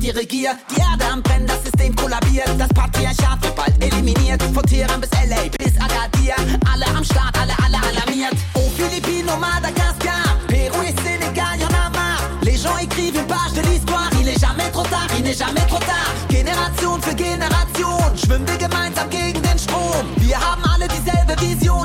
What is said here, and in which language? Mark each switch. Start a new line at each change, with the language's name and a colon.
German: Die Erde am Brennen, das System kollabiert. Das Patriarchat wird bald eliminiert. Von Teheran bis L.A. bis Agadir. Alle am Start, alle alarmiert.
French: Oh, Philippino, Madagaskar, Peru et Sénégal, y'en a marre. Les gens écrivent une page de l'histoire. Il n'est jamais trop tard, il n'est jamais trop tard.
German: Generation für Generation, schwimmen wir gemeinsam gegen den Strom. Wir haben alle dieselbe Vision.